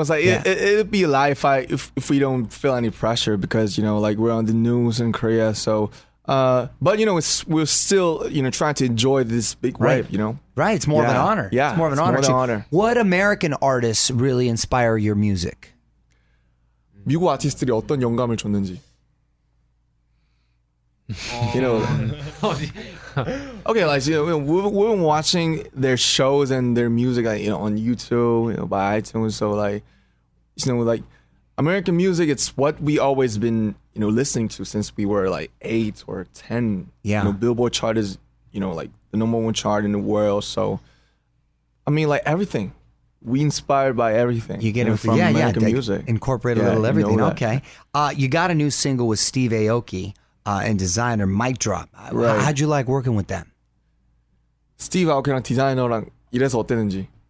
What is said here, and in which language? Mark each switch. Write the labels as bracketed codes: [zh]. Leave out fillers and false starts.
[en] It's like it'd be a lie if we don't feel any pressure because you know, like we're on the news in Korea. So, but you know, we're still you know trying to enjoy this big wave. You know, right? It's more of an honor. Yeah, it's more of an honor. What American artists really inspire your music? [ko] 미국 아티스트들이 어떤 영감을 줬는지. [en] You know, okay, like you know, we've been watching their shows and their music, like, you know, on YouTube, you know, by iTunes. So, like, you know, like American music, it's what we always been, you know, listening to since we were like 8 or 10. Yeah, you know, Billboard chart is, you know, like the number one chart in the world. So, I mean, like everything. We inspired by everything. You get it from American music. Incorporate a little everything. You know okay, you got a new single with Steve Aoki. And designer mic drop. Right. How'd you like working with them? [ko] Steve Aoki랑 디자이너랑 이래서 어땠는지.